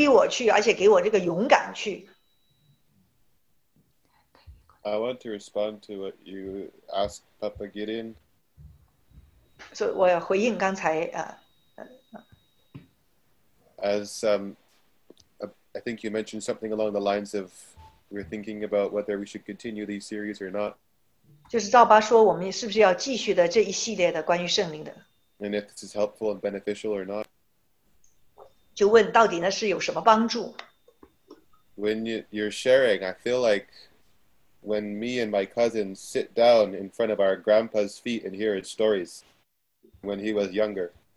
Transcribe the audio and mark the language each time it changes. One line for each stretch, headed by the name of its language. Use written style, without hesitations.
Chinese: 那个时候呢，是你一直在催逼我去，而且给我这个勇敢去。
English: I want to respond to what you asked Papa Gideon.
Chinese: So 我要回应刚才,
English: I think you mentioned something along the lines of we're thinking about whether we should continue these series or not.
Chinese: 就是照爸说我们是不是要继续的这一系列的关于圣灵的。
English: And if this is helpful and beneficial or not.
Chinese: 就问到底呢是有什么帮助。
English: When you're sharing, I feel like when me and my cousin sit down in front of our grandpa's feet and hear his stories when he was younger.